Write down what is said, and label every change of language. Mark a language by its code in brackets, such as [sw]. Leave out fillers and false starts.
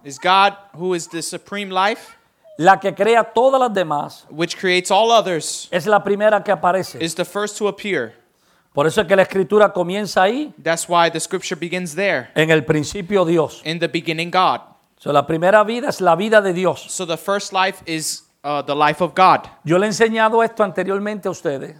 [en] Is God, who is the supreme life. [es] La que crea todas las demás. [en] Which creates all others. [es] Es la primera que aparece. [en] Is the first to appear. [es] Por eso es que la escritura comienza ahí. [en] That's why the scripture begins there. [es] En el principio Dios. [en] In the beginning God. [es] So la primera vida es la vida de Dios. [en] So the first life is the life of God. [es] Yo le he enseñado esto anteriormente a ustedes.